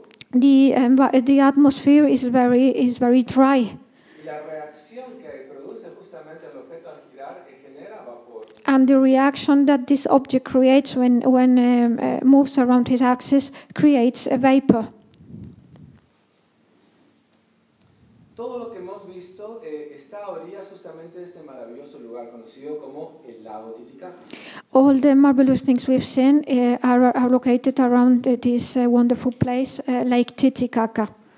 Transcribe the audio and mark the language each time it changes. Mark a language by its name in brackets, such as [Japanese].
[English] The atmosphere is very dry. And the reaction that this object creates when moves around its axis creates a vapor. [Spanish] Todo lo que hemos visto está a orillas justamente de este maravilloso lugar conocido como el lago Titicaca. [English] All the marvelous things we've seen are located around this wonderful place, Lake Titicaca.